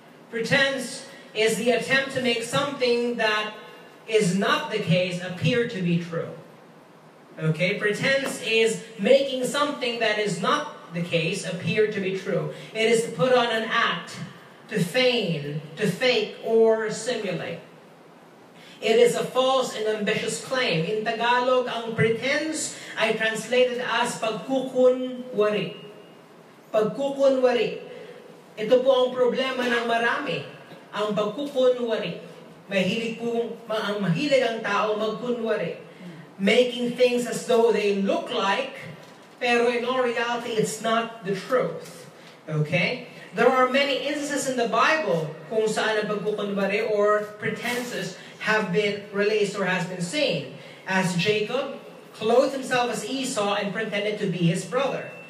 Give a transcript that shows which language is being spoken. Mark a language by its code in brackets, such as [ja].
[en] Pretense is the attempt to make something that is not the case appear to be true. Okay, pretense is making something that is not the case appear to be true. It is to put on an act, to feign, to fake, or simulate. It is a false and ambitious claim. In Tagalog, [tl] ang pretense ay [en] translated as pagkukunwari. [tl] Pagkukunwari. Ito po ang problema ng marami. Ang pagkukunwari. Mahilig ang tao magkunwari. [en] Making things as though they look like, pero in all reality, it's not the truth. Okay? There are many instances in the Bible [tl] kung saan ang pagkukunwari [en] or pretenses have been released or has been seen. As Jacob clothed himself as Esau and pretended to be his brother.